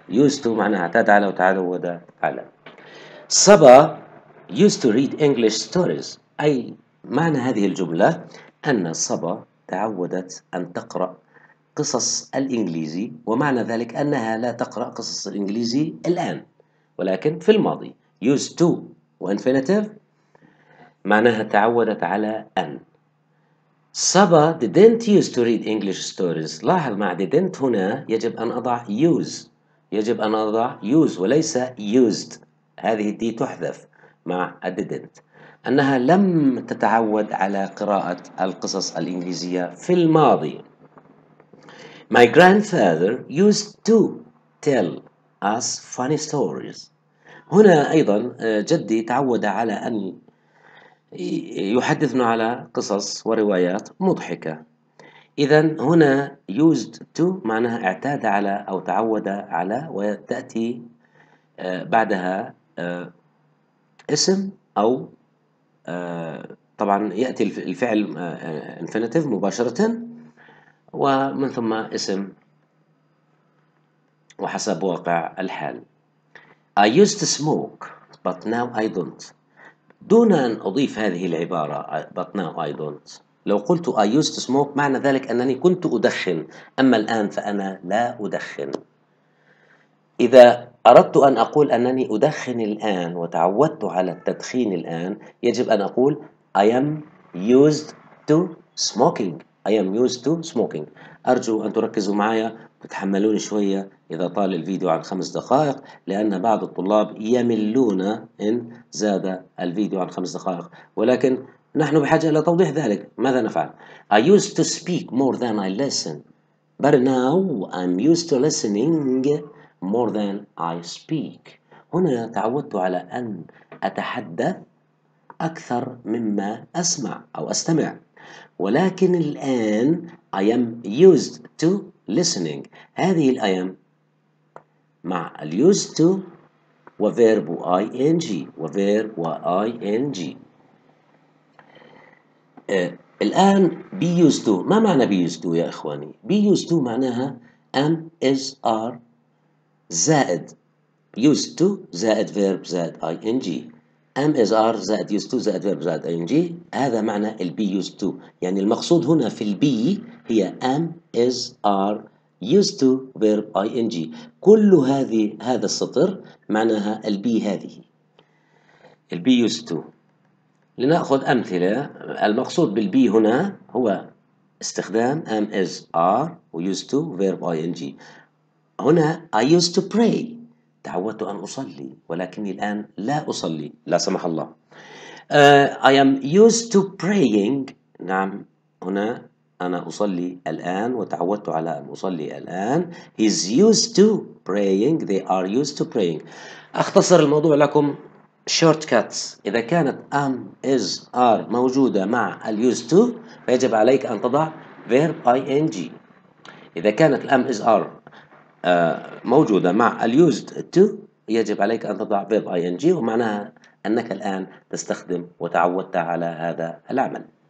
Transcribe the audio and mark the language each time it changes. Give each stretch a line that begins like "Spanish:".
Arabic: يوزتو معناها اعتاد على وتعود على. صبا
English: used to read English stories،
Arabic: أي معنى هذه الجملة أن صبا تعودت أن تقرأ قصص الإنجليزي، ومعنى ذلك أنها لا تقرأ قصص الإنجليزي الآن ولكن في الماضي. used to و infinitive معناها تعودت على أن.
English: صبا didn't used to read English stories.
Arabic: لاحظ مع didn't هنا يجب أن أضع use، يجب أن أضع use وليس used، هذه دي تحذف مع didn't. أنها لم تتعود على قراءة القصص الإنجليزية في الماضي.
English: My grandfather used to tell us funny stories.
Arabic: هنا أيضا جدي تعود على أن يحدثنا على قصص وروايات مضحكة. إذا هنا used to معناها اعتاد على أو تعود على، وتأتي بعدها اسم أو طبعا يأتي الفعل infinitive مباشرة ومن ثم اسم وحسب واقع الحال.
English: I used to smoke but now I don't.
Arabic: دون أن أضيف هذه العبارة
English: but now I don't،
Arabic: لو قلت
English: I used to smoke
Arabic: معنى ذلك أنني كنت أدخن، أما الآن فأنا لا أدخن. إذا أردت أن أقول أنني أدخن الآن وتعودت على التدخين الآن، يجب أن أقول
English: I am used to smoking. I am used to smoking.
Arabic: أرجو أن تركزوا معي وتتحملوني شوية إذا طال الفيديو عن 5 دقائق، لأن بعض الطلاب يملون إن زاد الفيديو عن 5 دقائق، ولكن نحن بحاجة إلى توضيح ذلك. ماذا نفعل؟
English: I used to speak more than I listen but now I'm used to listening more than I speak.
Arabic: هنا تعودت على أن أتحدث أكثر مما أسمع أو أستمع، ولكن الآن
English: I am used to listening.
Arabic: هذه الـ I am مع الـ used to وverb ing وverb ing. الآن be used to، ما معنى be used to يا إخواني؟ be used to معناها am is are زائد used to زائد verb زائد ing. am is are زائد used to زائد verb زائد ing، هذا معنى ال be used to. يعني المقصود هنا في ال be هي am is are used to verb ing. كل هذا السطر معناها ال be هذه ال be used to. لنأخذ أمثلة. المقصود بال be هنا هو استخدام am is are و used to verb ing. هنا
English: I used to pray،
Arabic: تعودت أن أصلي ولكني الآن لا أصلي لا سمح الله.
English: I am used to praying،
Arabic: نعم هنا أنا أصلي الآن وتعودت على أن أصلي الآن.
English: He's used to praying، they are used to praying.
Arabic: أختصر الموضوع لكم short cuts. إذا كانت am is are موجودة مع ال used to، فيجب عليك أن تضع verb ing. إذا كانت am is are موجودة مع ال used to، يجب عليك أن تضع verb ing، ومعناها أنك الآن تستخدم وتعودت على هذا العمل.